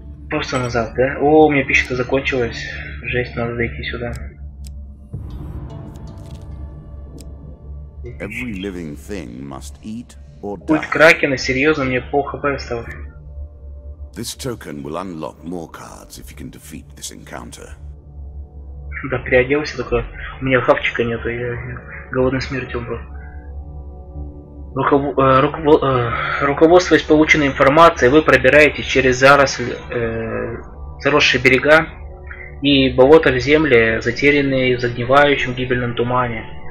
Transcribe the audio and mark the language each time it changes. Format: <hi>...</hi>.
<ru>Просто назад, да? О, у меня пища-то закончилась. Жесть, надо дойти сюда.</ru> <en>Every living thing must eat or die.</en> <ru>Путь Кракена, серьезно, мне пол хп стало.</ru> <en>This token will unlock more cards if you can defeat this encounter.</en> <ru>Да приоделся такой. У меня хавчика нету, я голодной смертью умру. Руководствуясь полученной информацией, вы пробираетесь через заросли, заросшие берега и болота в земле, затерянные в загнивающем гибельном тумане.</ru>